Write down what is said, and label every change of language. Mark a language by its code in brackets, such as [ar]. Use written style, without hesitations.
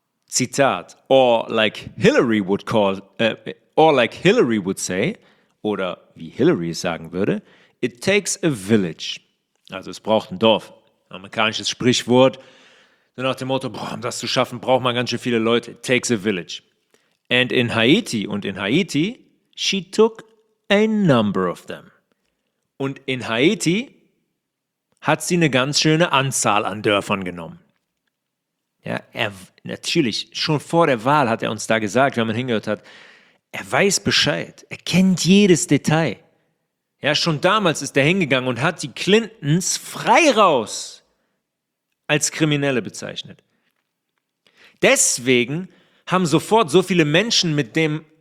[en] Zitat, or like Hillary would call, or like Hillary would say, [de] oder wie Hillary es sagen würde, [en] it takes a village. [de] Also es braucht ein Dorf. Amerikanisches Sprichwort. So nach dem Motto, boah, um das zu schaffen, braucht man ganz schön viele Leute. [en] It takes a village. And in Haiti, she took a number of them. [de] Und in Haiti hat sie eine ganz schöne Anzahl an Dörfern genommen. Ja, natürlich, schon vor der Wahl hat er uns da gesagt, wenn man hingehört hat, er weiß Bescheid, er kennt jedes Detail. Ja, schon damals ist er hingegangen und hat die Clintons frei raus als Kriminelle bezeichnet. Deswegen haben sofort so viele Menschen mit dem